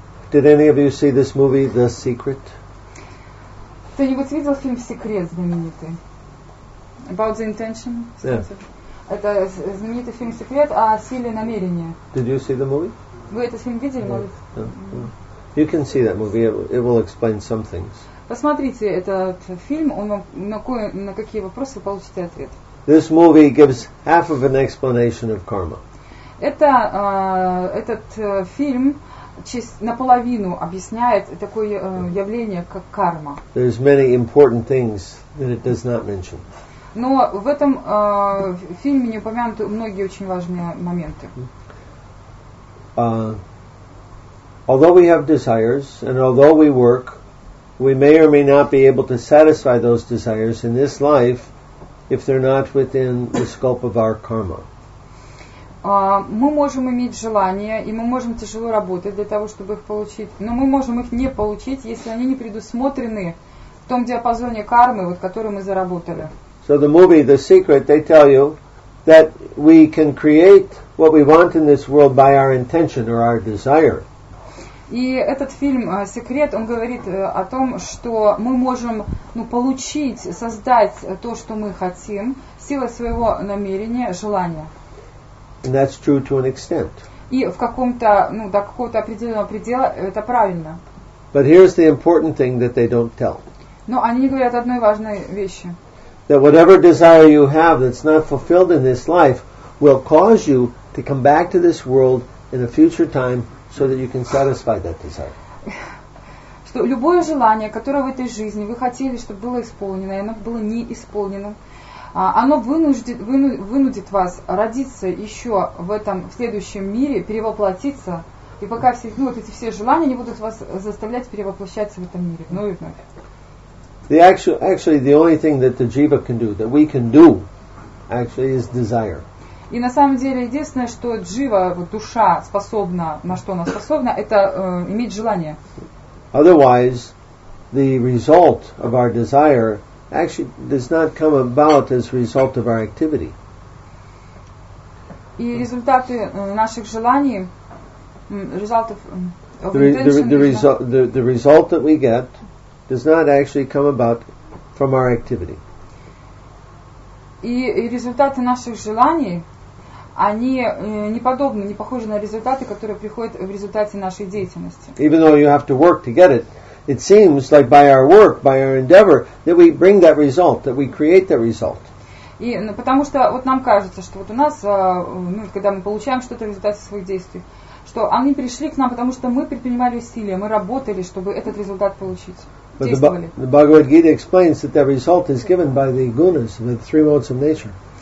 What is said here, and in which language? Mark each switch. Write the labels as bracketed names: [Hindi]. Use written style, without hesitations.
[English] Did any of you see this movie, The Secret? [Russian] Кто-нибудь видел фильм «Секрет» знаменитый? [English] About the intention? Yeah. [Russian] Это знаменитый фильм «Секрет» о силе намерения. [English] Did you see the movie? [Russian] Вы этот фильм видели, yeah. Может? Yeah. [English] Yeah. You can see that movie. It will explain some things. [Russian] Посмотрите этот фильм, он на какие вопросы получите ответ. [English] This movie gives half of an explanation of karma. [Russian] Это этот фильм наполовину объясняет такое явление, как карма. [English] There's many important things that it does not mention. [Russian] Но в этом фильме не упомянуты многие очень важные моменты. [English] Although we have desires, and although we work, we may or may not be able to satisfy those desires in this life if they're not within the scope of our karma. [Russian] Мы можем иметь желания, и мы можем тяжело работать для того, чтобы их получить, но мы можем их не получить, если они не предусмотрены в том диапазоне кармы, вот, который мы заработали. [English] So the movie The Secret, they tell you that we can create what we want in this world by our intention or our desire. [Russian] И этот фильм «Секрет», он говорит о том, что мы можем, ну, получить, создать то, что мы хотим, силой своего намерения, желания. [English] And that's true to an extent. [Russian] И в каком-то, ну, до какого-то определенного предела это правильно. [English] But here's the important thing that they don't tell. [Russian] Но они не говорят одной важной вещи. [English] That whatever desire you have that's not fulfilled in this life will cause you to come back to this world in a future time so that you can satisfy that desire. [Russian] Что любое желание, которое в этой жизни вы хотели, чтобы было исполнено, и оно было не исполнено, оно вынудит вас родиться еще в этом, в следующем мире, перевоплотиться, и пока все, ну, вот эти все желания не будут вас заставлять перевоплощаться в этом мире вновь и вновь. [English] Actually, the only thing that the jiva can do, that we can do, actually, is desire. [Russian] И на самом деле единственное, что джива, вот душа, способна, на что она способна, это иметь желание. [English] Otherwise, the result of our desire actually does not come about as a result of our activity. [Russian] И результаты наших желаний [English] result of the result that we get does not actually come about from our activity. [Russian] И результаты наших желаний, они не подобны, не похожи на результаты, которые приходят в результате нашей деятельности. [English] Even though you have to work to get it, it seems like by our work, by our endeavor, that we bring that result, that we create that result. [Russian] И потому что вот нам кажется, что вот у нас, ну, когда мы получаем что-то в результате своих действий, что они пришли к нам, потому что мы предпринимали усилия, мы работали, чтобы этот результат получить. [English] But the Bhagavad Gita explains that that result is given by the gunas, the three modes of nature.